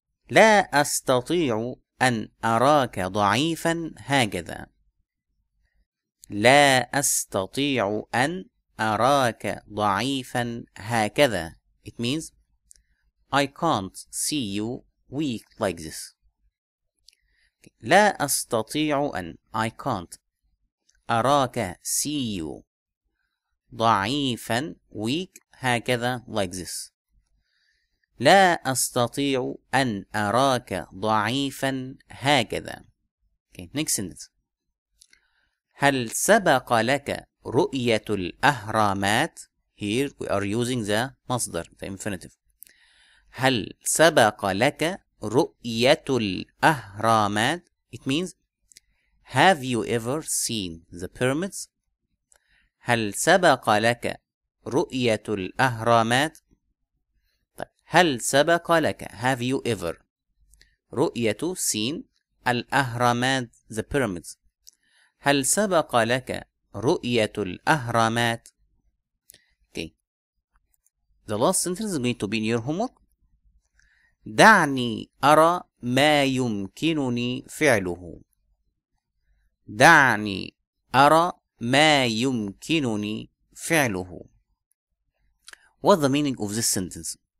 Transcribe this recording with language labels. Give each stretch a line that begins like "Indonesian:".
Arabic: لا أستطيع أن أراك ضعيفا هكذا. لا أستطيع أن أراك ضعيفا هكذا.
English: It means I can't see you weak like this.
Arabic: لا أستطيع أن,
English: I can't, أراك, see you ضعيفا, weak, هكذا, like this.
Arabic: لا أستطيع أن أراك ضعيفا هكذا.
English: Okay, next sentence.
Arabic: هل سبق لك رؤية الأهرامات؟
English: Here we are using the مصدر, the infinitive.
Arabic: هل سبق لك رؤية الأهرامات؟
English: It means, have you ever seen the pyramids?
Arabic: هل سبق لك رؤية الأهرامات؟ هل سبق لك,
English: have you ever,
Arabic: رؤية, seen, الأهرامات,
English: the pyramids.
Arabic: هل سبق لك رؤية الأهرامات؟ Okay.
English: The last sentence is going to be in your homework.
Arabic: دعني أرى ما يمكنني فعله. دعني أرى ما يمكنني فعله.
English: What's the meaning of this sentence?